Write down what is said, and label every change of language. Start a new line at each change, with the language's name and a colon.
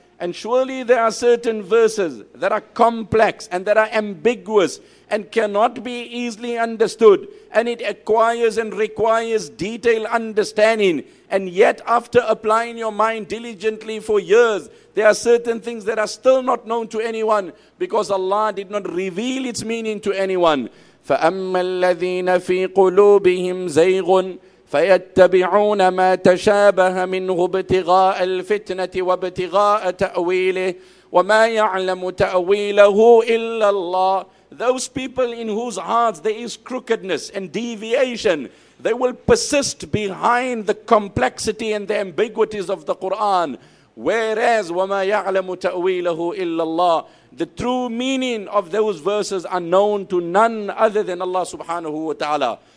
English: And surely there are certain verses that are complex and that are ambiguous and cannot be easily understood. And it acquires and requires detailed understanding. And yet after applying your mind diligently for years, there are certain things that are still not known to anyone because Allah did not reveal its meaning to anyone.
Arabic: فَأَمَّا الَّذِينَ فِي قُلُوبِهِمْ زَيْغٌ فيتبعون ما تشابه منه ابتغاء الفتنة وابتغاء تأويله وما يعلم تأويله إلا الله.
English: Those people in whose hearts there is crookedness and deviation, they will persist behind the complexity and the ambiguities of the Quran. Whereas
Arabic: وما يعلم تأويله إلا الله,
English: the true meaning of those verses are known to none other than Allah subhanahu wa ta'ala.